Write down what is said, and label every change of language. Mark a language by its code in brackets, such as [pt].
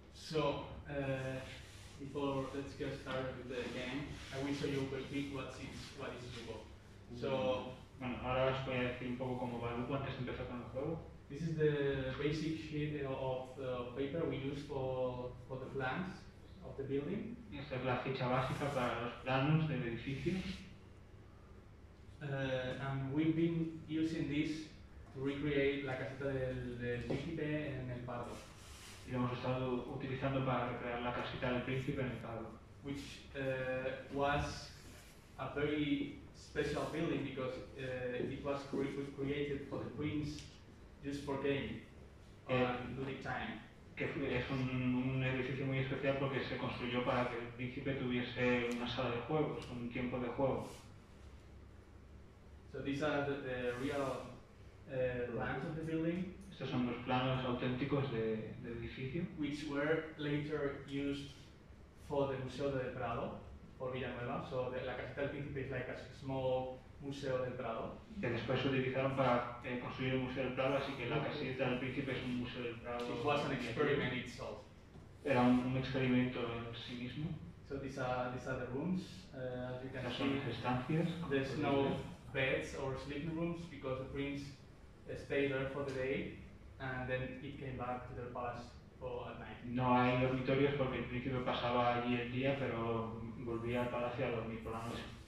[en] So, before let's get started with the game, I will show you quickly what is Lupo. So, [es] bueno, ahora os voy a decir un poco cómo va Lupo antes de empezar con el juego. [en] This is the basic sheet of the paper we use for the plans of the building. [es] Esta es la ficha básica para los planos del edificio. [en] And we've been using this to recreate la caseta del príncipe en el pardo. [es] Y hemos estado utilizando para recrear la casita del príncipe en el pardo. [en] Which was a very special building because it was created for the prince just for game and ludic time. [es] Que es un edificio muy especial porque se construyó para que el príncipe tuviese una sala de juegos, un tiempo de juego. [en] So these are the real plans of the building. [es] Estos son los planos auténticos de edificio. [en] Which were later used for the Museo del Prado, for Villanueva. So la Casita del Príncipe is like a small Museo del Prado. [es] Que después se utilizaron para construir el Museo del Prado, así que la Casita del Príncipe es un Museo del Prado. [en] It was an experiment itself. [es] Era un experimento en sí mismo. [en] So these are the rooms. [es] Estas son las estancias. [en] There's no beds or sleeping rooms because the prince stay there for the day, and then it came back to their palace for at night. [es] No hay dormitorios porque el príncipe pasaba allí el día, pero volvía al palacio a dormir por la noche.